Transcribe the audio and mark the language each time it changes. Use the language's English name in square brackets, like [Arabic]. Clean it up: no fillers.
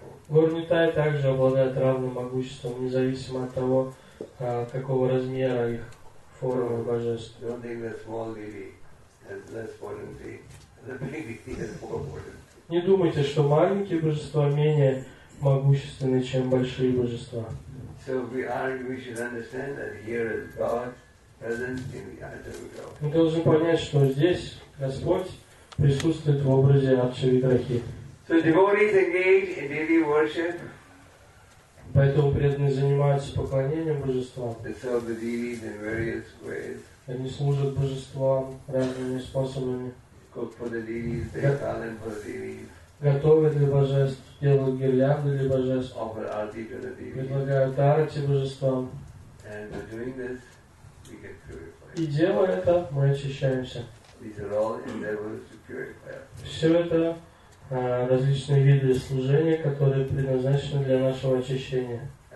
[Russian] Лорд Нитай также обладает равным могуществом, независимо от того, какого размера их форма и божества. [English] Don't think that small deity has less potency than big deity has more potency. [Russian] Не думайте, что маленькие божества менее могущественны, чем большие божества. [English] So we should understand that here is God present in the Ajna-Vidrahi. [Russian] Мы должны понять, что здесь Господь присутствует в образе Ачча-Видрахи. [English] So devotees engage in daily worship. [Russian] Поэтому преданные занимаются поклонением божествам. [English] They serve the deities in various ways. [Russian] Они служат божествам разными способами. [English] Cook for the deities, they talent for the deities. [Russian] Готовят для божеств, делают гирлянды для божеств. [English] Offer arti to the deities. [Russian] Предлагают арти божествам. [English] And by doing this, we get purified. [Russian] И делая это, мы очищаемся. [English] These are all endeavors to purify. [Russian] Все это различные виды служения, которые предназначены для нашего очищения.